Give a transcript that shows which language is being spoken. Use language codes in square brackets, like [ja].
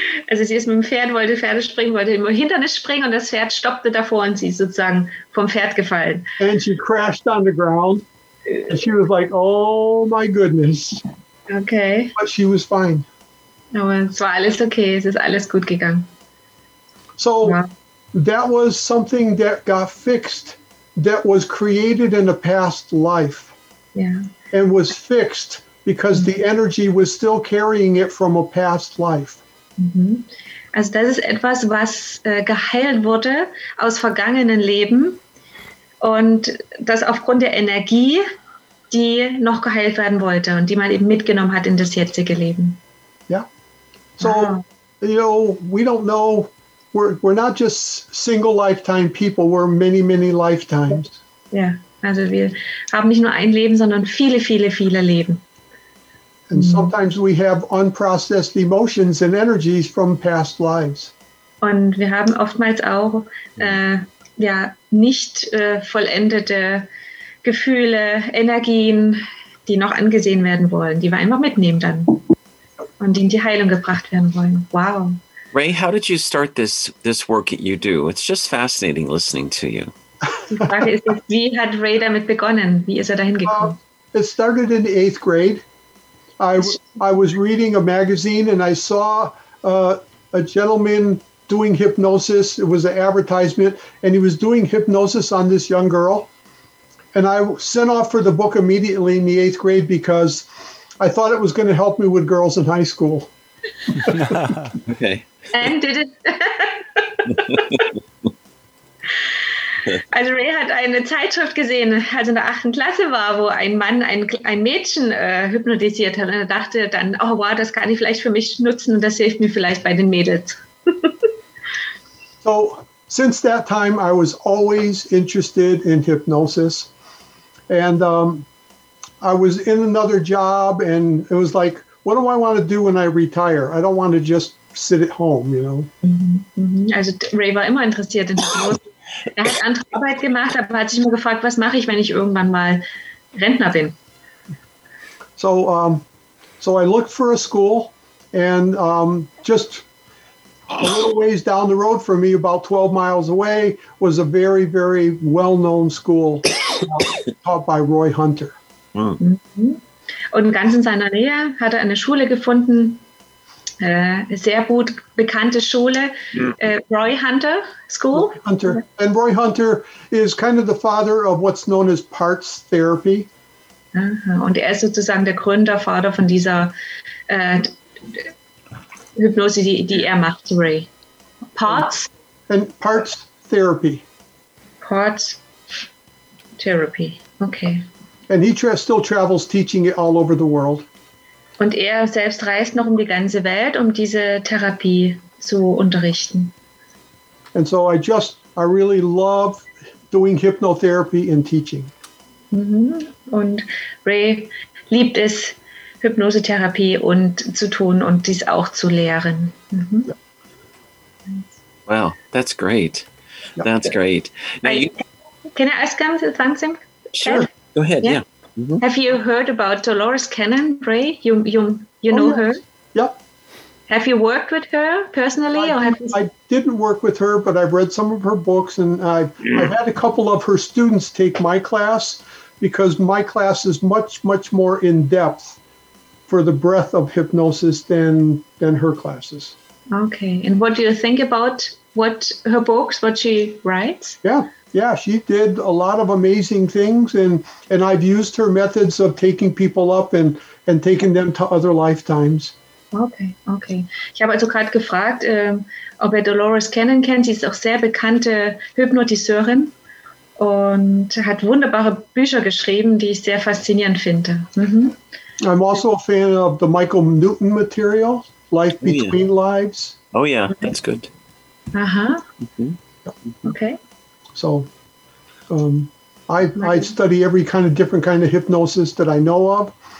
[de] Also sie ist mit dem Pferd, wollte Pferde springen, wollte im Hindernis springen und das Pferd stoppte davor und sie ist sozusagen vom Pferd gefallen. [en] And she crashed on the ground and she was like, oh my goodness. Okay. But she was fine. [de] Aber es war alles okay, es ist alles gut gegangen. So ja. [en] That was something that got fixed, that was created in a past life. Yeah. And was fixed because the energy was still carrying it from a past life. Mm-hmm. [de] Also das ist etwas, was geheilt wurde aus vergangenen Leben und das aufgrund der Energie, die noch geheilt werden wollte und die man eben mitgenommen hat in das jetzige Leben. [en] Yeah. So, wow. You know, we don't know, we're not just single lifetime people, we're many, many lifetimes. Yeah. [de] Also wir haben nicht nur ein Leben, sondern viele, viele, viele Leben. [en] And sometimes we have unprocessed emotions and energies from past lives. [de] Und wir haben oftmals auch nicht vollendete Gefühle, Energien, die noch angesehen werden wollen, die wir einfach mitnehmen dann und in die Heilung gebracht werden wollen. [en] Wow. Ray, how did you start this work that you do? It's just fascinating listening to you. [de] Die Frage ist, wie hat Ray damit begonnen? Wie ist er dahin gekommen? [en] It started in the eighth grade. I was reading a magazine and I saw a gentleman doing hypnosis. It was an advertisement and he was doing hypnosis on this young girl. And I sent off for the book immediately in the eighth grade because I thought it was going to help me with girls in high school. Okay. And did it... [de] Also Ray hat eine Zeitschrift gesehen, als er in der 8. Klasse war, wo ein Mann ein Mädchen hypnotisiert hat. Und er dachte dann, oh wow, das kann ich vielleicht für mich nutzen und das hilft mir vielleicht bei den Mädels. [en] So, since that time, I was always interested in hypnosis. And I was in another job and it was like, what do I want to do when I retire? I don't want to just sit at home, you know. [de] Also Ray war immer interessiert in der Großen. Er hat andere Arbeit gemacht, aber hat sich immer gefragt, was mache ich, wenn ich irgendwann mal Rentner bin? [en] So, so I looked for a school, and just a little ways down the road from me, about 12 miles away, was a very, very well-known school taught by Roy Hunter. Mm. [de] Und ganz in seiner Nähe hat er eine Schule gefunden, sehr gut bekannte Schule, Roy Hunter School. Roy Hunter. [en] And Roy Hunter is kind of the father of what's known as parts therapy. [de] Und er ist sozusagen der Gründervater von dieser Hypnose, die er macht, Ray. [en] Parts? And parts therapy. Parts therapy, okay. And he still travels teaching it all over the world. [de] Und er selbst reist noch um die ganze Welt, um diese Therapie zu unterrichten. [en] And so I really love doing hypnotherapy and teaching. [de] Und Ray liebt es, Hypnosetherapie und zu tun und dies auch zu lehren. [en] Mhm. Wow, that's great. That's great. Now can I ask him something? Sure. Go ahead. Yeah. Mm-hmm. Have you heard about Dolores Cannon, Ray? You know her? Yep. Have you worked with her personally? I didn't work with her, but I've read some of her books, and I've had a couple of her students take my class, because my class is much, much more in depth for the breadth of hypnosis than her classes. Okay. And what do you think about her books, what she writes? Yeah, she did a lot of amazing things, and I've used her methods of taking people up and taking them to other lifetimes. Okay. [de] Ich habe also gerade gefragt, ob er Dolores Cannon kennt. Sie ist auch sehr bekannte Hypnotiseurin und hat wunderbare Bücher geschrieben, die ich sehr faszinierend finde. Mhm. [en] I'm also a fan of the Michael Newton material, Life Between Lives. Oh yeah, that's good. Aha. Mm-hmm. Okay. So, I study every kind of hypnosis that I know of.